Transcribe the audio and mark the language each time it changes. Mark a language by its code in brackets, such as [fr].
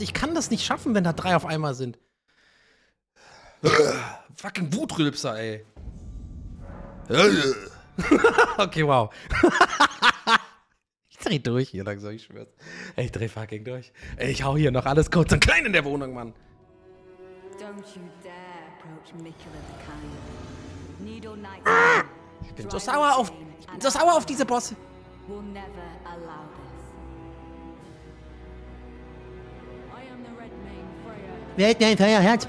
[de] Ich kann das nicht schaffen, wenn da 3 auf einmal sind. Fucking Wutrülpser, ey. Okay, wow. Ich dreh durch hier langsam, ich schwör's. Ey, ich dreh fucking durch. Ey, ich hau hier noch alles kurz und klein in der Wohnung, Mann. [en] Don't you dare approach Mikula the Kind. [de] Needle Knight. Ich bin so sauer auf. Ich bin so sauer auf diese Bosse. [en] We'll never allow this. I am the Red Mane Freya. [de] Wer hält denn Freya Herz?